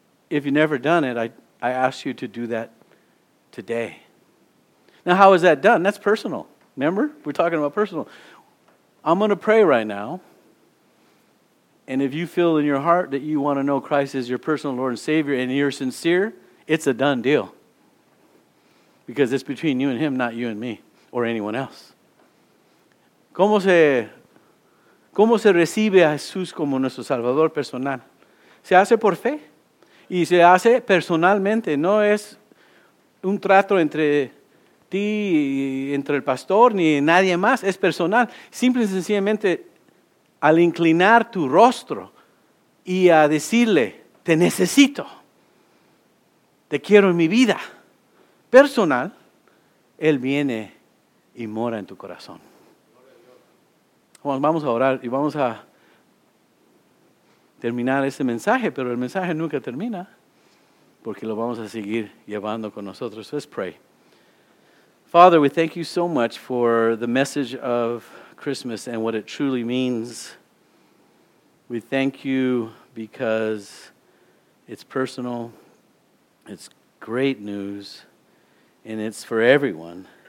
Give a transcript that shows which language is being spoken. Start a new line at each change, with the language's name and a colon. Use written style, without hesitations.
English: If you've never done it, I ask you to do that today. Now, how is that done? That's personal. Remember? We're talking about personal. I'm going to pray right now. And if you feel in your heart that you want to know Christ as your personal Lord and Savior and you're sincere, it's a done deal. Because it's between you and Him, not you and me or anyone else.
Spanish: ¿Cómo se recibe a Jesús como nuestro Salvador personal? Se hace por fe. Y se hace personalmente. No es un trato entre ni entre el pastor ni nadie más, es personal. Simple y sencillamente, al inclinar tu rostro y a decirle, te necesito, te quiero en mi vida, personal, Él viene y mora en tu corazón. Vamos a orar y vamos a terminar este mensaje, pero el mensaje nunca termina, porque lo vamos a seguir llevando con nosotros.
English: Let's pray. Father, we thank you so much for the message of Christmas and what it truly means. We thank you because it's personal, it's great news, and it's for everyone.